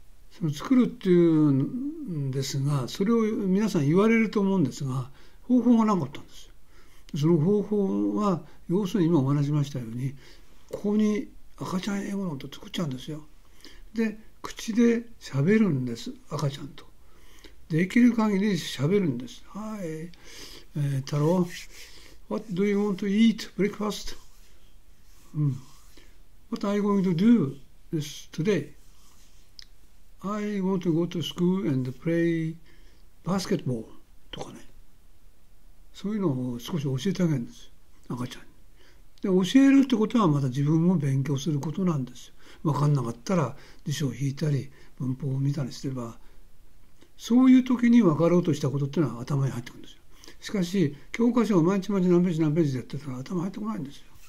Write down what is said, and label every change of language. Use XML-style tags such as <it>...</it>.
<ja>その作るっていうんですが、それを皆さん言われると思うんですが、方法がなかったんですよ。その方法は、要するに今お話しましたように、ここに赤ちゃん英語ノート作っちゃうんですよ。で、口で喋るんです、赤ちゃんと。できる限り喋るんです。</ja> <en>はい、太郎、What do you want to eat breakfast? What are you going to do this today? I want to go to school and play basketball とかね。</en> <ja>そういうのを少し教えてあげるんです、赤ちゃんに。で、教えるってことはまた自分も勉強することなんですよ。分かんなかったら辞書を引いたり文法を見たりすれば、そういう時に分かろうとしたことっていうのは頭に入ってくるんですよ。しかし、教科書を毎日毎日何ページ何ページでやってたら頭入ってこないんですよ。</ja>